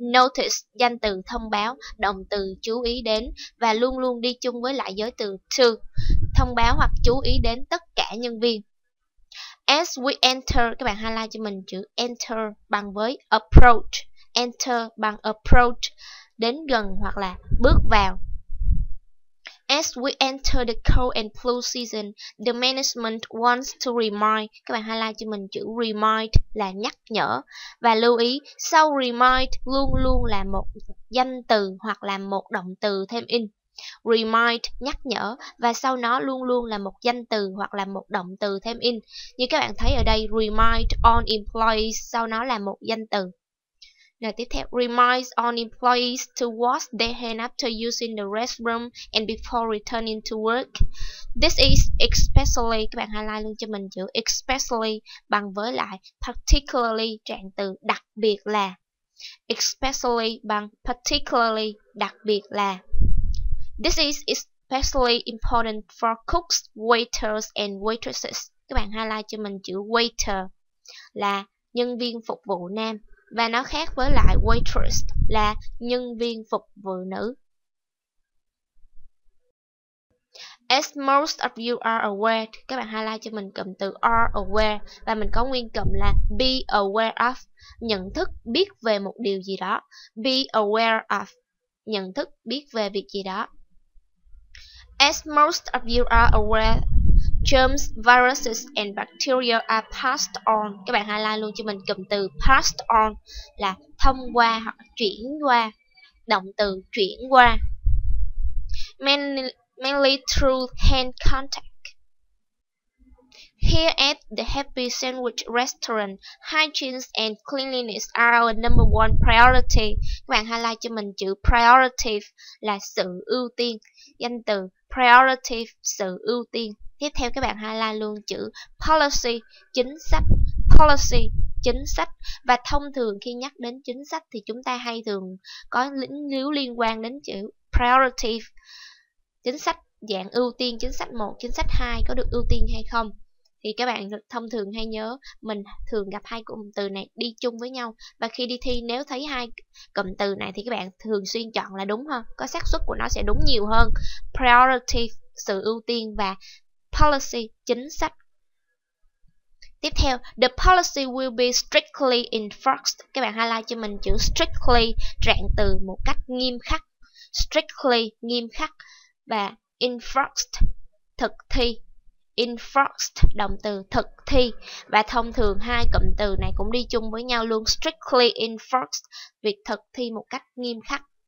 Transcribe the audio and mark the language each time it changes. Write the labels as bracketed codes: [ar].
[vi] Notice, danh từ thông báo, động từ chú ý đến, và luôn luôn đi chung với lại giới từ to, thông báo hoặc chú ý đến tất cả nhân viên. [en] As we enter, [vi] các bạn highlight cho mình chữ enter bằng với approach. Enter bằng approach, đến gần hoặc là bước vào. [en] As we enter the cold and flu season, the management wants to remind. [vi] Các bạn highlight cho mình chữ remind là nhắc nhở. Và lưu ý, sau remind luôn luôn là một danh từ hoặc là một động từ thêm in. Remind, nhắc nhở, và sau nó luôn luôn là một danh từ hoặc là một động từ thêm in. Như các bạn thấy ở đây, [en] remind on employees, [vi] sau nó là một danh từ. Rồi tiếp theo, [en] remind on employees to wash their hands after using the restroom and before returning to work. This is especially, [vi] các bạn highlight luôn cho mình chữ especially bằng với lại particularly, trạng từ đặc biệt là. Especially bằng particularly, đặc biệt là. [en] This is especially important for cooks, waiters and waitresses. [vi] Các bạn highlight cho mình chữ waiter là nhân viên phục vụ nam, và nó khác với lại waitress là nhân viên phục vụ nữ. [en] As most of you are aware, [vi] các bạn highlight cho mình cụm từ are aware, và mình có nguyên cụm là be aware of, nhận thức, biết về một điều gì đó. Be aware of, nhận thức, biết về việc gì đó. [en] As most of you are aware, germs, viruses and bacteria are passed on. [vi] Các bạn highlight luôn cho mình cụm từ passed on là thông qua hoặc chuyển qua, động từ chuyển qua. [en] Mainly through hand contact. Here at the Happy Sandwich Restaurant, hygiene and cleanliness are our number one priority. [vi] Các bạn highlight cho mình chữ priority là sự ưu tiên, danh từ priority, sự ưu tiên. Tiếp theo các bạn highlight luôn chữ policy, chính sách. Policy, chính sách. Và thông thường khi nhắc đến chính sách thì chúng ta hay thường có lĩnh líu liên quan đến chữ priority. Chính sách dạng ưu tiên, chính sách 1, chính sách 2 có được ưu tiên hay không? Thì các bạn thông thường hay nhớ mình thường gặp hai cụm từ này đi chung với nhau. Và khi đi thi nếu thấy hai cụm từ này thì các bạn thường xuyên chọn là đúng hơn. Có xác suất của nó sẽ đúng nhiều hơn. Priority, sự ưu tiên, và policy, chính sách. Tiếp theo, [en] the policy will be strictly enforced. [vi] Các bạn highlight cho mình chữ strictly, trạng từ một cách nghiêm khắc. Strictly, nghiêm khắc, và enforced, thực thi. Enforced, động từ thực thi. Và thông thường hai cụm từ này cũng đi chung với nhau luôn. [en] Strictly enforced, [vi] việc thực thi một cách nghiêm khắc.